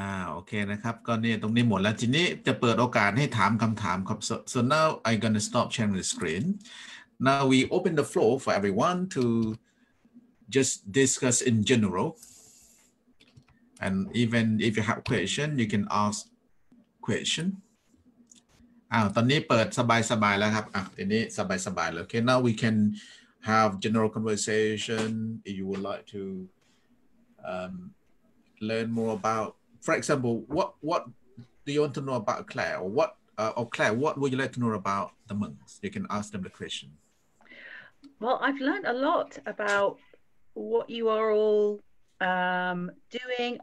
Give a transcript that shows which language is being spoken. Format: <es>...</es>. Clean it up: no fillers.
<th>โอเคนะครับก็นี่ตรงนี้หมดแล้วทีนี้จะเปิดโอกาสให้ถามคำถามครับ</th> <en>So now I'm gonna stop sharing the screen. Now we open the floor for everyone to just discuss in general. And even if you have question, you can ask question.</en> <th>ตอนนี้เปิดสบายๆแล้วครับทีนี้สบายๆแล้ว</th> <en>Okay, now we can have general conversation. If you would like to learn more about, for example, what do you want to know about Claire? Or Claire, what would you like to know about the monks? You can ask them the question. Well, I've learned a lot about what you are all doing.</en>